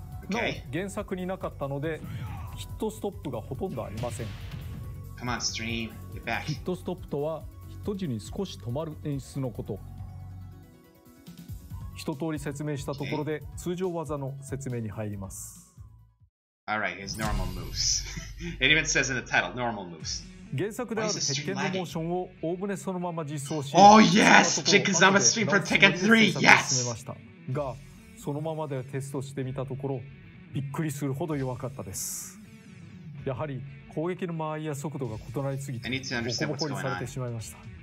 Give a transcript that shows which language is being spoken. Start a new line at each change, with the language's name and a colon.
Japanese: なお原作になかったのでヒットストップがほとんどありません。ヒットストップとはヒット時に少し止まる演出のこと。一通り説明したところで、okay. 通常技の説明に入ります。
English: Alright, his normal moves. It even says in the title, normal moves.
Japanese: 原作である鉄拳のモーションを大船そのまま実装し、
English: Oh yes! Jinkazama Stream for Tekken 3! Yes!
Japanese: が、そのままでテストしてみたところびっくりするほど弱かったです。やはり攻撃の間合いや速度が異なりすぎてボコボコにされてしまいました。